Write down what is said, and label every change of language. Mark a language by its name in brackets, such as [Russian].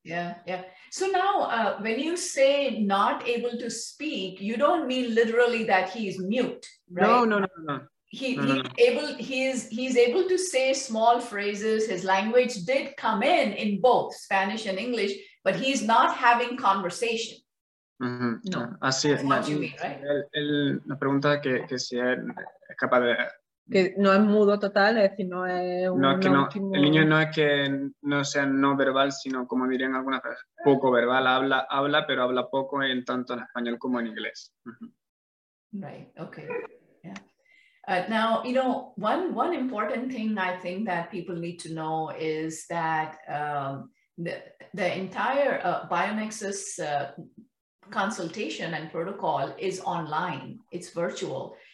[English] Oh, So now, when you say not able to speak, you don't mean literally that he is mute, right? He's able to say small phrases. His language did come in both Spanish and English, but he's not having conversation. Mm-hmm. [Spanish] No. Así es. [English] That's what you mean, right? [Spanish] La pregunta que si él es capaz de... Que no es mudo total, es decir, no es un... No, es que no, el niño no es que no sea no verbal, sino como dirían algunas veces, poco verbal, habla, pero habla poco en tanto en español como en inglés. [English] Right, okay, yeah. Now, you know, one important thing I think that people need to know is that the entire Bionexus consultation and protocol is online, it's virtual.